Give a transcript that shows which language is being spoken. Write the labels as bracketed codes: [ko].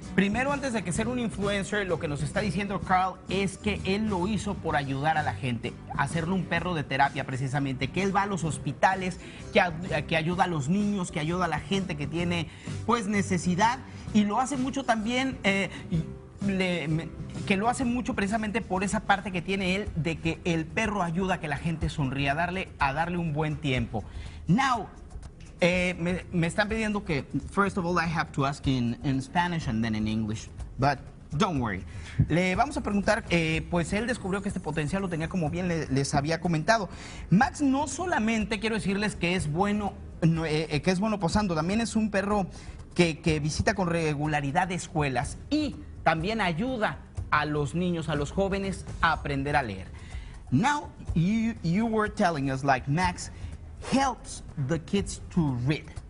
[es] Primero, antes de que ser un influencer, lo que nos está diciendo Carl es que él lo hizo por ayudar a la gente, hacerlo un perro de terapia precisamente, que él va a los hospitales, que ayuda a los niños, que ayuda a la gente que tiene, pues, necesidad, y lo hace mucho también, que lo hace mucho precisamente por esa parte que tiene él de que el perro ayuda a que la gente sonría, a darle un buen tiempo. [en] Now, [es] me están pidiendo que, [en] first of all, I have to ask in Spanish and then in English, but don't worry. [es] Le vamos a preguntar, pues él descubrió que este potencial lo tenía, como bien les había comentado. Max, no solamente quiero decirles que es bueno, posando, también es un perro que visita con regularidad escuelas y también ayuda a los niños, a los jóvenes, a aprender a leer. [en] Now, you were telling us, like, Max helps the kids to read.